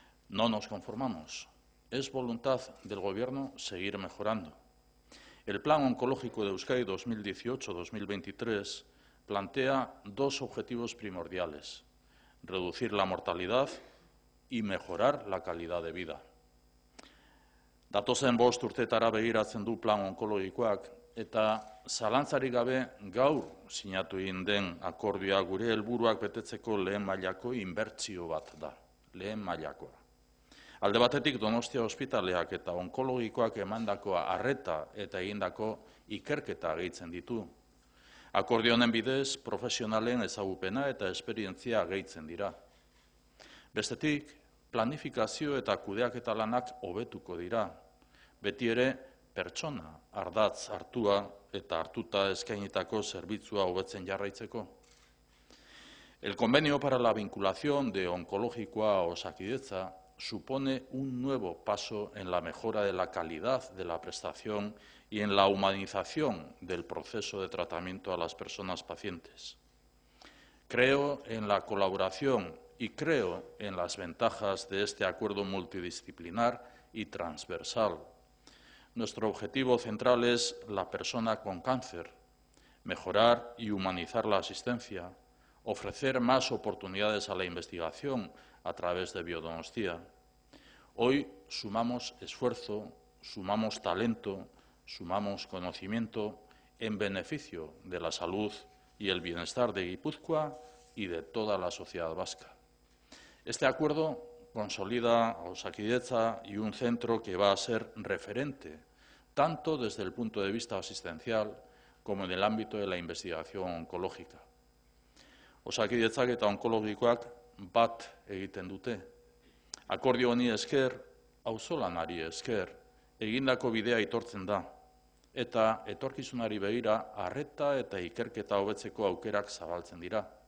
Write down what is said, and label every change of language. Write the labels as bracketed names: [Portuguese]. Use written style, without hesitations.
[Spanish] No nos conformamos. Es voluntad del Gobierno seguir mejorando. El Plan Oncológico de Euskadi 2018-2023 plantea dos objetivos primordiales: reducir la mortalidad y mejorar la calidad de vida. [Basque] Datozen bost urtetara begiratzen du Plan Onkologikoak, eta zalantzarik gabe gaur sinatu egin den akordioa gure helburuak betetzeko lehen mailako inbertsio bat da. Lehen mailakoa. Alde batetik Donostia ospitaleak eta onkologikoak emandako arreta eta egindako ikerketa gehitzen ditu. Akordionen bidez, profesionalen ezagupena eta esperientzia gehitzen dira. Bestetik, planifikazio eta kudeaketa lanak hobetuko dira. Beti ere, pertsona ardatz hartua eta hartuta eskainitako zerbitzua hobetzen jarraitzeko. [Spanish] El convenio para la vinculación de Onkologikoa a Osakidetza supone un nuevo paso en la mejora de la calidad de la prestación y en la humanización del proceso de tratamiento a las personas pacientes. Creo en la colaboración y creo en las ventajas de este acuerdo multidisciplinar y transversal. Nuestro objetivo central es la persona con cáncer, mejorar y humanizar la asistencia, ofrecer más oportunidades a la investigación a través de biodonostia. Hoy sumamos esfuerzo, sumamos talento, sumamos conocimiento en beneficio de la salud y el bienestar de Gipuzkoa y de toda la sociedad vasca. Este acuerdo consolida a Osakidetza y un centro que va a ser referente, tanto desde el punto de vista asistencial como en el ámbito de la investigación oncológica. [Basque] Osakidetzak eta onkologikoak bat egiten dute. Akordio honi esker, auzolanari esker, egindako bidea aitortzen da. Eta etorkizunari begira, arreta eta ikerketa hobetzeko aukerak zabaltzen dira.